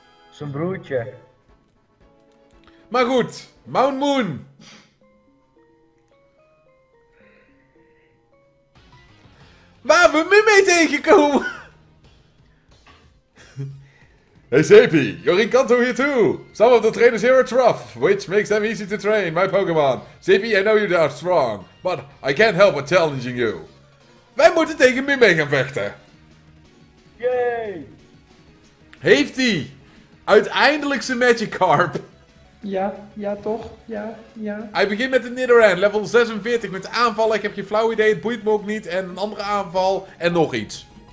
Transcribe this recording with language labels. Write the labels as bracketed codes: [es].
[nl] Zijn broertje. Maar goed, Mount Moon. Waar hebben we Mimmy tegengekomen? [en] Hey Zepi, you're in Kanto here too. Some of the trainers here are tough, which makes them easy to train, my Pokémon. Zepi, I know you are strong, but I can't help but challenging you. [nl] Wij moeten tegen Mimmy gaan vechten. Yay! Heeft hij uiteindelijk zijn Magikarp? Ja, toch? Ja. Hij begint met de Nidoran, level 46, met de aanvallen. Ik heb geen flauw idee, het boeit me ook niet. En een andere aanval, en nog iets.